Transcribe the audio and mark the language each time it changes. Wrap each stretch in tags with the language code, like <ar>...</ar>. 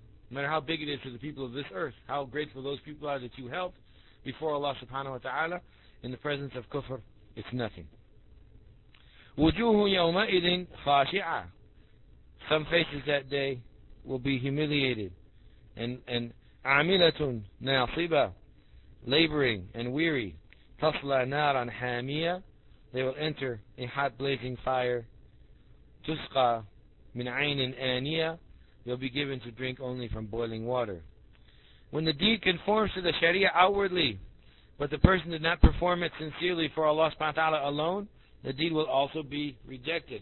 <en>No matter how big it is to the people of this earth, how grateful those people are that you helped before Allah subhanahu wa ta'ala, in the presence of kufr, it's nothing.</en> <ar>وَجُوهُ يَوْمَئِذٍ خَاشِعَةٌ.</ar> <en>Some faces that day will be humiliated. And</en> <ar>عَمِلَةٌ نَاصِبَةٌ.</ar> <en>Laboring and weary.</en> <ar>تَصْلَى نَارًا حَامِيَةً.</ar> <en>They will enter a hot blazing fire.</en> <ar>تُسْقَى مِنْ عَيْنٍ آنِيَةً.</ar> <en>They'll be given to drink only from boiling water. When the deed conforms to the Sharia outwardly, but the person did not perform it sincerely for Allah subhanahu wa ta'ala alone, the deed will also be rejected.</en>